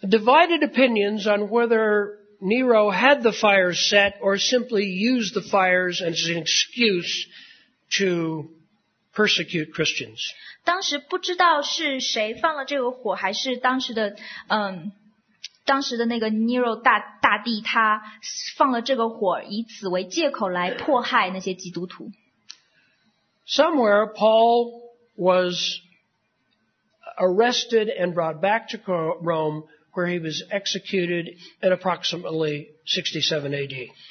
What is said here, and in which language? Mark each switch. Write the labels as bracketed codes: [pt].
[en] Divided opinions on whether Nero had the fires set or simply used the fires as an excuse to persecute Christians. [zh] 当时不知道是谁放了这个火，还是当时的那个 Nero 大帝他放了这个火，以此为借口来迫害那些基督徒。 [en] Somewhere Paul was arrested and brought back to Rome. Where he was executed at approximately 67 A.D.